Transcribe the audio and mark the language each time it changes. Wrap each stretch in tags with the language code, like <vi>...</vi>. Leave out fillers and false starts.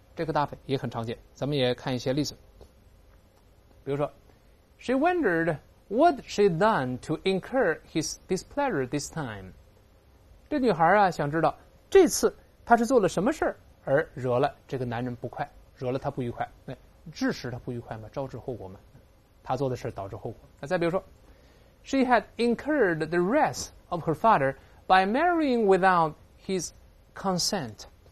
<zh>这个搭配也很常见，咱们也看一些例子。比如说</zh> <en>She wondered what she'd done to incur his displeasure this time.</en> <zh>这女孩啊，想知道这次她是做了什么事而惹了这个男人不快，惹了他不愉快，致使他不愉快嘛，招致后果嘛，他做的事导致后果。那再比如说</zh> <en>She had incurred the wrath of her father by marrying without his consent.</en>